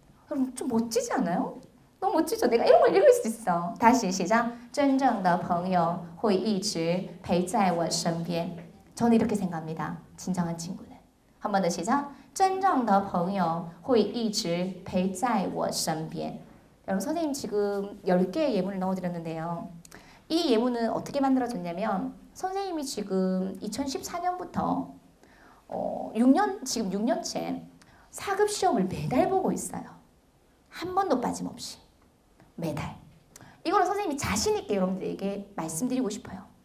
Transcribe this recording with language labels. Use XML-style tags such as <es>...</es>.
<ko>여러분, 좀 멋지지 않아요? 너무 멋지죠? 내가 이런 걸 읽을 수 있어. 다시 시작.</ko> <zh>真正的朋友会一直陪在我身边.</zh> <ko>저는 이렇게 생각합니다. 진정한 친구는. 한번더 시작.</ko> <zh>真正的朋友会一直陪在我身边.</zh> <ko>여러분, 선생님 지금 10개의 예문을 넣어드렸는데요. 이 예문은 어떻게 만들어졌냐면, 선생님이 지금 2014년부터 6년, 지금 6년째 4급 시험을 매달 보고 있어요. 한 번도 빠짐없이. 매달. 이거는 선생님이 자신 있게 여러분들에게 말씀드리고 싶어요.</ko>